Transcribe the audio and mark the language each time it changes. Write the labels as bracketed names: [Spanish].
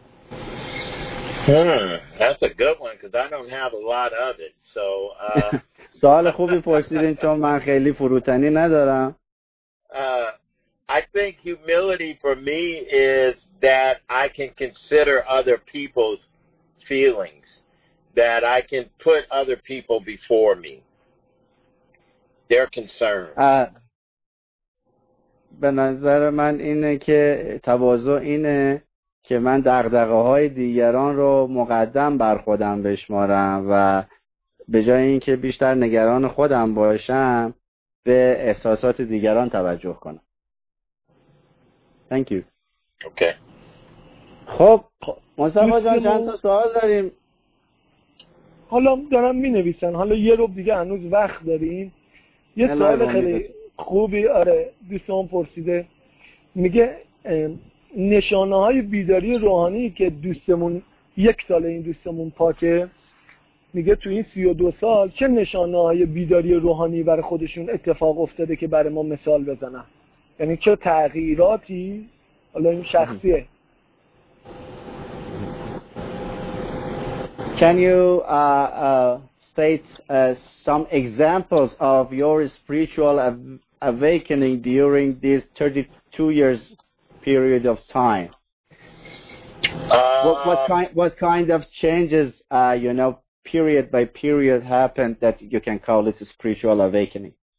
[English] That's a good one because I don't have a lot of it. So. [Persian] سوال خوبی پرسیدین چون من خیلی فروتنی ندارم. [English] I think humility for me is that I can consider other people's feelings, that I can put other people before me. Their concerns. [Persian] به نظر من اینه که تواضع اینه که من دغدغه های دیگران رو مقدم بر خودم بشمارم و به جای اینکه بیشتر نگران خودم باشم به احساسات دیگران توجه کنم. [English] Thank you. Okay. [Persian] خب مصطفی جان چند تا سوال داریم. حالا دارم می نویسن، حالا یه ربع دیگه هنوز وقت داریم. یه سوال خیلی خوبی دوستان پرسیده، میگه نشانه های بیداری روحانی که دوستمون یک سال این دوستمون پاکه، میگه تو این 32 سال چه نشانه های بیداری روحانی برای خودشون اتفاق افتاده که برای ما مثال بزنن، یعنی چه تغییراتی. حالا این شخصیه. [English] Can you state some examples of your spiritual awakening during this 32 years period of time? What kind of changes, you know, period by period happened that you can call it a spiritual awakening?